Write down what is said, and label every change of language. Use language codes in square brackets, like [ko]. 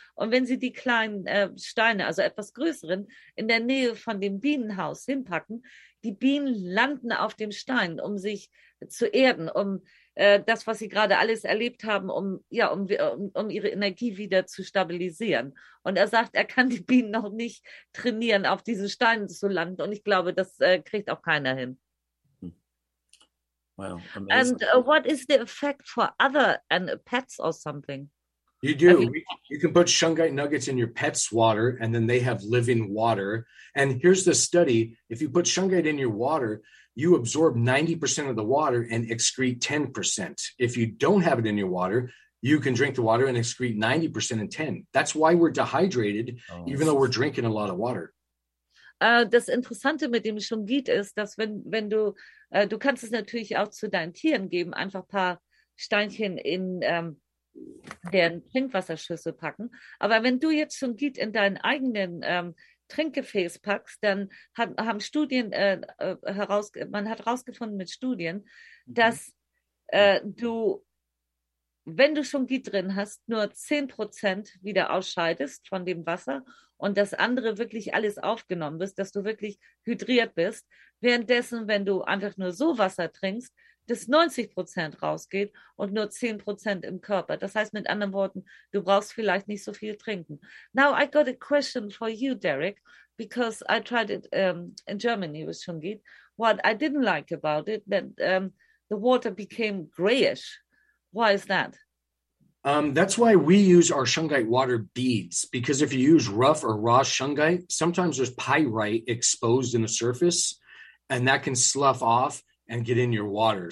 [de] Und wenn sie die kleinen Steine, also etwas größeren, in der Nähe von dem Bienenhaus hinpacken, die Bienen landen auf dem Stein, um sich zu erden, um das, was sie gerade alles erlebt haben, um ihre Energie wieder zu stabilisieren. Und er sagt, er kann die Bienen noch nicht trainieren, auf diesen Steinen zu landen. Und ich glaube, das kriegt auch keiner hin. [en] Wow, amazing. And what is the effect for other and pets or something? You do. You can put Shungite nuggets in your pet's water, and then they have living water. And here's the study. If you put Shungite in your water, you absorb 90% of the water and excrete 10%. If you don't have it in your water, you can drink the water and excrete 90% and 10%. That's why we're dehydrated, even though we're drinking a lot of water. [de] Das Interessante mit dem Shungite ist, dass wenn du, du kannst es natürlich auch zu deinen Tieren geben, einfach ein paar Steinchen in deren Trinkwasserschüssel packen. Aber wenn du jetzt Shungite in deinen eigenen Trinkgefäß packst, dann haben Studien herausgefunden mit Studien, dass du, wenn du Shungite drin hast, nur 10% wieder ausscheidest von dem Wasser und das andere wirklich alles aufgenommen bist, dass du wirklich hydriert bist. Währenddessen, wenn du einfach nur so Wasser trinkst, dass 90% rausgeht und nur 10% im Körper. Das heißt, mit anderen Worten, du brauchst vielleicht nicht so viel trinken. [en] Now, I got a question for you, Derek, because I tried it in Germany with Shungite. What I didn't like about it, that the water became grayish. Why is that? That's why we use our Shungite water beads, because if you use rough or raw Shungite, sometimes there's pyrite exposed in the surface, and that can slough off and get in your water.